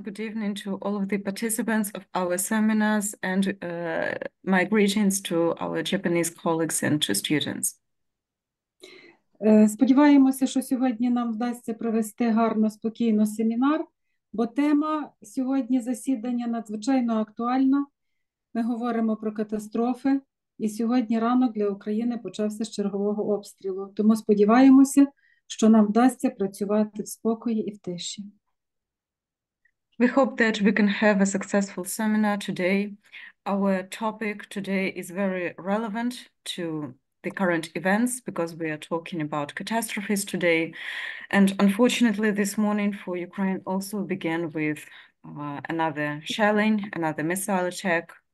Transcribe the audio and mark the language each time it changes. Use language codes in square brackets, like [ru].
[en] Good evening to all of the participants of our seminars, and my greetings to our Japanese colleagues and to students. [uk] Сподіваємося, що сьогодні нам вдасться провести гарно, спокійно семінар, бо тема сьогодні засідання надзвичайно актуальна. Ми говоримо про катастрофи, і сьогодні ранок для України почався з чергового обстрілу. Тому сподіваємося, що нам вдасться працювати в спокої і в тиші. [en] We hope that we can have a successful seminar today. Our topic today is very relevant to the current events because we are talking about catastrophes today. And unfortunately, this morning for Ukraine also began with another shelling, another missile attack.